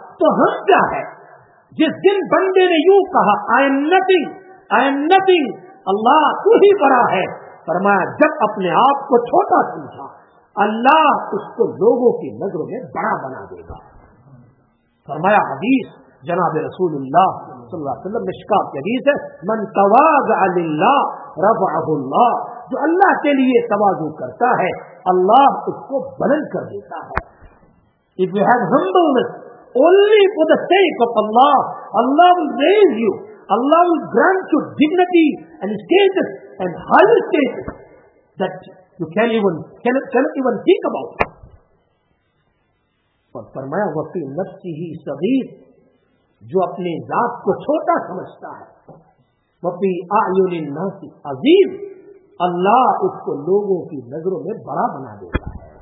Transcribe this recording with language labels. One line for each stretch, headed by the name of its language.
Urdu: تو ہم کیا ہے؟ جس دن بندے نے یوں کہا
English: I am nothing, I am nothing,
Urdu: اللہ تو ہی بڑا ہے, فرمایا جب اپنے آپ کو چھوٹا سمجھا اللہ اس کو لوگوں کی نظروں میں بڑا بنا دے گا. فرمایا حدیث جناب رسول اللہ صلی اللہ علیہ وسلم, مشکات کی حدیث ہے,
Arabic: من تواضع للہ رفعہ اللہ,
Urdu: جو اللہ کے لیے تواضع کرتا ہے اللہ اس کو بلند کر دیتا ہے.
English: If you have humbleness only for the sake of Allah, Allah will raise you, Allah will grant you dignity and status and higher status that you cannot even think about.
Urdu: اور فرمایا
Arabic: وفی نفسی ہی صغیر,
Urdu: جو اپنے ذات کو چھوٹا سمجھتا ہے,
Arabic: وفی اعین الناس عظیم,
Urdu: اللہ اس کو لوگوں کی نظروں میں بڑا بنا دیتا ہے.